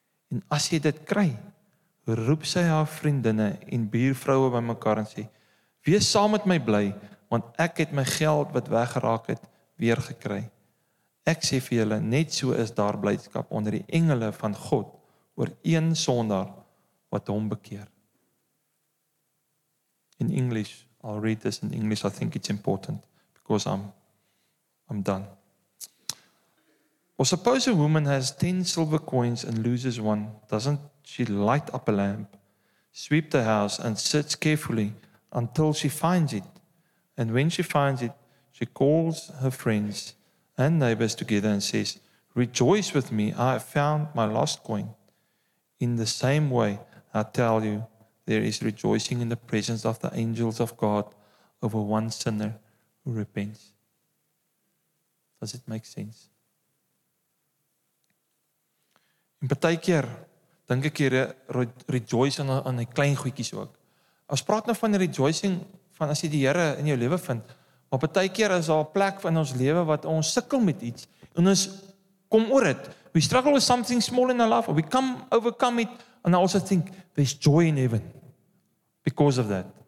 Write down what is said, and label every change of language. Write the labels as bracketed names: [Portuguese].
[Afrikaans] En as sy dit kry, roep sy haar vriendinne en buurvroue bymekaar en sê: "Wees saam met my bly, want ek het my geld wat weggeraak het weer gekry." Ek sê vir julle, net so is daar blydskap onder die engele van God oor een sondaar wat hom bekeer. [English] In English, I'll read this in English, I think it's important, because I'm done. Well, suppose a woman has 10 silver coins and loses one. Doesn't she light up a lamp, sweep the house and search carefully until she finds it? And when she finds it, she calls her friends and neighbors together and says, "Rejoice with me, I have found my lost coin." In the same way, I tell you, there is rejoicing in the presence of the angels of God over one sinner who repents. Does it make sense? [Afrikaans] In partykeer, dink ek hier, rejoice aan die klein goedjies ook. As praat nou van rejoicing, van as jy die Here in jou lewe vind, maar partykeer is daar 'n plek in ons lewe wat ons sukkel met iets en ons kom oor dit. [English] We struggle with something small in our life, we come overcome it and I also think there's joy in heaven because of that.